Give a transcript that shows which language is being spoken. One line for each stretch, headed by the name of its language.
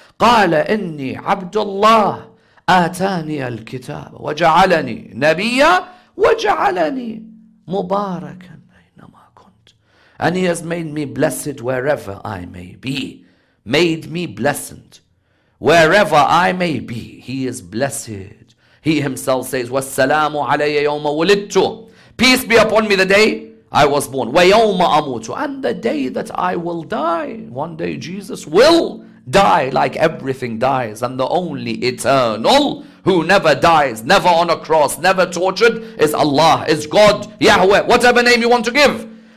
Arabic: قَالَ إِنِّي عَبْدُ اللَّهِ آتَانِيَ الْكِتَابَ وَجَعَلَنِي نَبِيًّا وَجَعَلَنِي مُبَارَكًا أينما
English: And he has made me blessed wherever I may be, made me blessed. Wherever I may be, he is blessed. He himself says,
Arabic: وَالسَّلَامُ عَلَيَّ يَوْمَ وُلِدْتُ.
English: Peace be upon me the day I was born.
Arabic: وَيَوْمَ أَمُوتُ.
English: And the day that I will die. One day Jesus will die like everything dies. And the only eternal who never dies, never on a cross, never tortured, is Allah, is God, Yahweh, whatever name you want to give.